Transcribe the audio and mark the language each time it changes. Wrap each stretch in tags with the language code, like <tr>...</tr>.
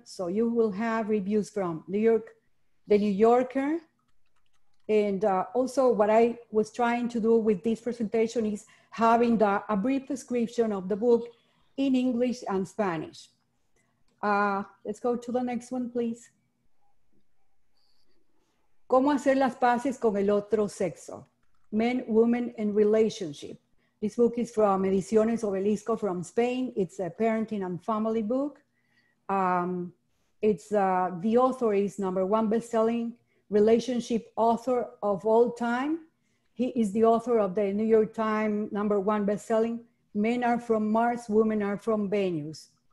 <en>So you will have reviews from The New Yorker. And also what I was trying to do with this presentation is having a brief description of the book in English and Spanish. Let's go to the next one, please.</en> <es>¿Cómo hacer las paces con el otro sexo?</es> <en>Men, women, and relationship. This book is from Ediciones Obelisco from Spain. It's a parenting and family book. The author is number one best-selling relationship author of all time. He is the author of the New York Times number one best-selling Men Are From Mars, Women Are From Venus.</en>